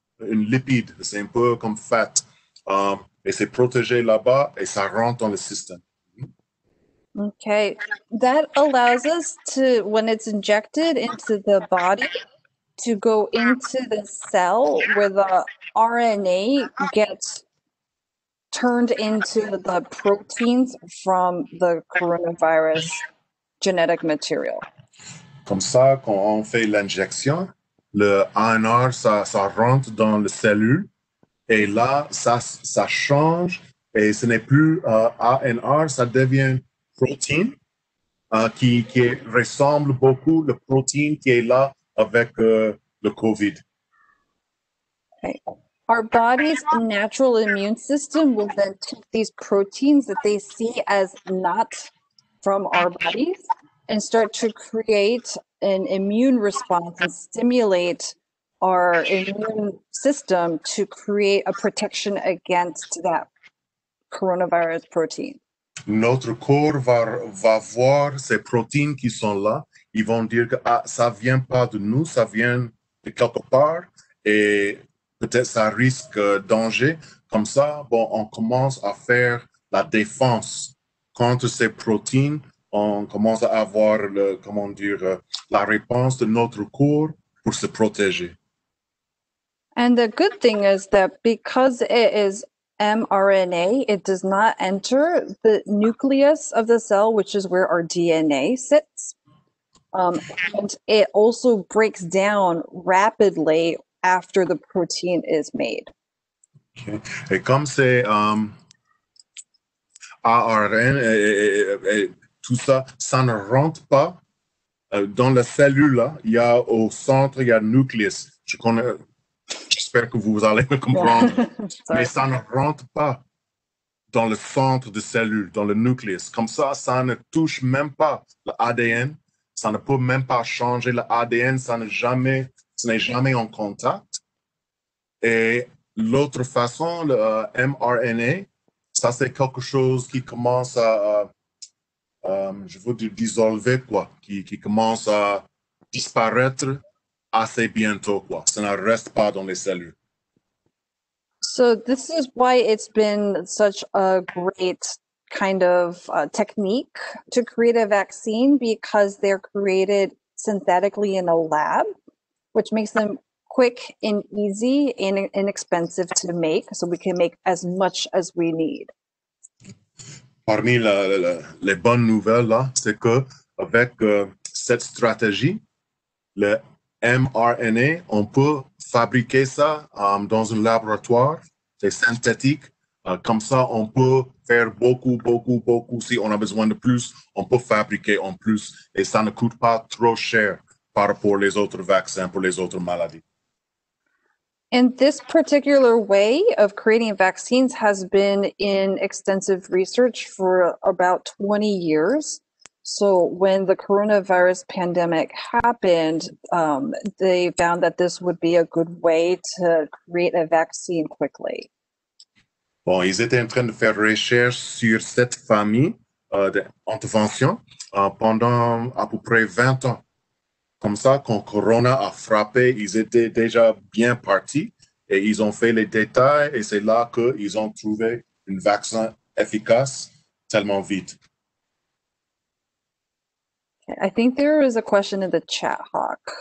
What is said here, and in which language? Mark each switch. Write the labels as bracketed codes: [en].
[fr] Une lipide, c'est un peu comme fat. Et c'est protégé là-bas et ça rentre dans le système. [en] Okay, that allows us to, when it's injected into the body, to go into the cell where the RNA gets turned into the proteins from the coronavirus genetic material. [fr] Comme ça, quand on fait l'injection, le ANR, ça rentre dans le cellule et là, ça change et ce n'est plus ANR, ça devient protein qui ressemble beaucoup le protein qui est là avec le COVID. [en] Okay. Our body's natural immune system will then take these proteins that they see as not from our bodies and start to create an immune response and stimulate our immune system to create a protection against that coronavirus protein. [fr] Notre corps va voir ces protéines qui sont là. Ils vont dire que ah, ça ne vient pas de nous, ça vient de quelque part et peut-être ça risque danger. Comme ça, bon, on commence à faire la défense contre ces protéines. On commence à avoir la réponse de notre corps pour se protéger. [en] And the good thing is that because it is mRNA, it does not enter the nucleus of the cell, which is where our DNA sits. And it also breaks down rapidly after the protein is made. Okay. [fr] Et comme c'est ARN, tout ça, ça ne rentre pas Dans la cellule, là, il y a au centre, il y a le nucleus. Je connais, j'espère que vous allez me comprendre. Yeah. Mais ça ne rentre pas dans le centre de cellule, dans le nucleus. Comme ça, ça ne touche même pas l'ADN. Ça ne peut même pas changer l'ADN. Ça n'est jamais en contact. Et l'autre façon, le mRNA, ça, c'est quelque chose qui commence à... je veux dire, dissolver, quoi, qui commence à disparaître assez bientôt, quoi. Ça ne reste pas dans les cellules. [en] So this is why it's been such a great kind of technique to create a vaccine, because they're created synthetically in a lab, which makes them quick and easy and inexpensive to make, so we can make as much as we need. [fr] Parmi les bonnes nouvelles, là, c'est qu'avec cette stratégie, le mRNA, on peut fabriquer ça dans un laboratoire, c'est synthétique. Comme ça, on peut faire beaucoup, beaucoup, beaucoup. Si on a besoin de plus, on peut fabriquer en plus. Et ça ne coûte pas trop cher par rapport aux autres vaccins, pour les autres maladies. [en] And this particular way of creating vaccines has been in extensive research for about 20 years. So when the coronavirus pandemic happened, they found that this would be a good way to create a vaccine quickly. [fr] Bon, ils étaient en train de faire recherche sur cette famille d'intervention pendant à peu près 20 ans. Comme ça, quand Corona a frappé, ils étaient déjà bien partis et ils ont fait les détails et c'est là qu'ils ont trouvé un vaccin efficace tellement vite. [en] I think there is a question in the chat, Hawk.